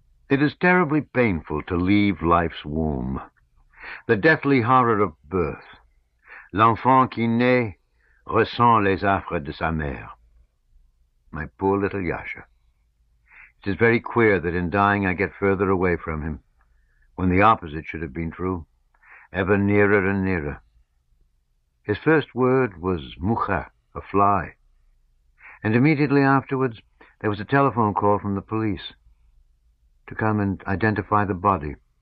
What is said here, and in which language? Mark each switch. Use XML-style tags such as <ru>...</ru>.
<en>It is terribly painful to leave life's womb. The deathly horror of birth.</en> <fr>L'enfant qui naît ressent les affres de sa mère.</fr> <en>My poor little Yasha. It is very queer that in dying I get further away from him, when the opposite should have been true, ever nearer and nearer. His first word was mucha, a fly. And immediately afterwards, there was a telephone call from the police to come and identify the body.</en>